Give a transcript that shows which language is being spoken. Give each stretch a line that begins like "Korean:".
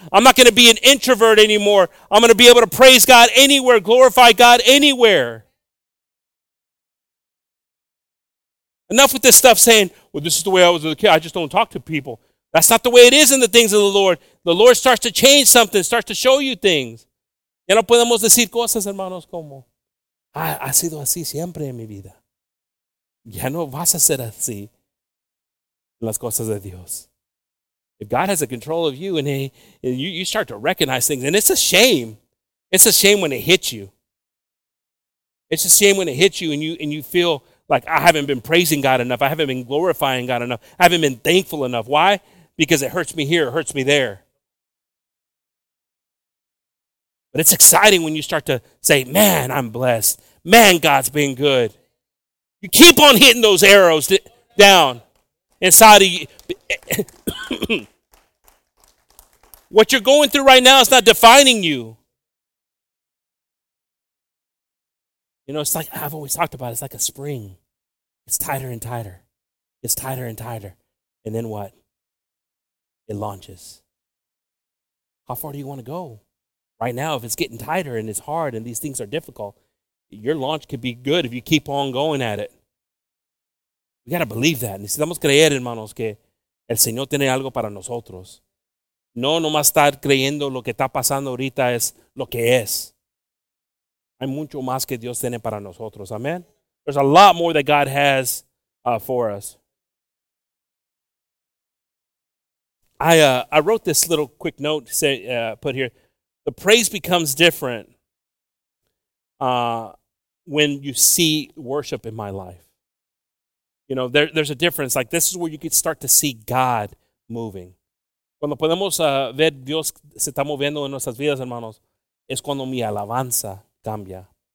English: I'm not going to be an introvert anymore. I'm going to be able to praise God anywhere, glorify God anywhere. Enough with this stuff saying, well, this is the way I was as a kid. I just don't talk to people. That's not the way it is in the things of the Lord. The Lord starts to change something, starts to show you things.
Spanish: Ya no podemos decir cosas, hermanos, como ha sido así siempre en mi vida. Ya no vas a ser así en las cosas de Dios.
English: If God has a control of you and you start to recognize things, and it's a shame. It's a shame when it hits you. It's a shame when it hits you and you feel like I haven't been praising God enough. I haven't been glorifying God enough. I haven't been thankful enough. Why? Because it hurts me here. It hurts me there. But it's exciting when you start to say, man, I'm blessed. Man, God's been good. You keep on hitting those arrows down inside of you. What you're going through right now is not defining you. You know, it's like I've always talked about it. It's like a spring. It's tighter and tighter. It's tighter and tighter. And then what? It launches. How far do you want to go? Right now, if it's getting tighter and it's hard and these things are difficult, your launch could be good if you keep on going at it. We got to believe that.
Spanish: Necesitamos creer, hermanos, que el Señor tiene algo para nosotros. No nomás estar creyendo lo que está pasando ahorita es lo que es. Hay mucho más que Dios tiene para nosotros.
English: Amen. There's a lot more that God has for us. I wrote this little quick note put here. The praise becomes different when you see worship in my life. You know, there's a difference. Like, this is where you can start to see God moving.
Spanish: Cuando podemos ver Dios se está moviendo en nuestras vidas, hermanos, es cuando mi alabanza cambia.